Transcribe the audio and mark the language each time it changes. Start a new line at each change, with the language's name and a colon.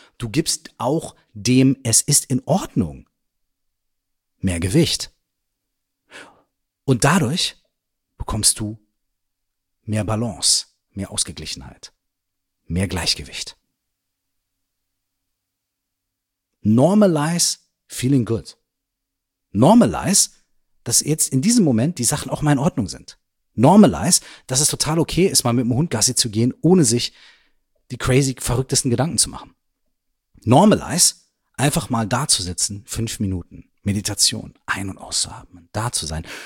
German: Du gibst auch dem, es ist in Ordnung, mehr Gewicht. Und dadurch bekommst du mehr Balance. Mehr Ausgeglichenheit, mehr Gleichgewicht.
English: Normalize feeling good.
German: Normalize, dass jetzt in diesem Moment die Sachen auch mal in Ordnung sind. Normalize, dass es total okay ist, mal mit dem Hund Gassi zu gehen, ohne sich die crazy verrücktesten Gedanken zu machen. Normalize, einfach mal da zu sitzen, 5 Minuten, Meditation, ein- und auszuatmen, da zu sein.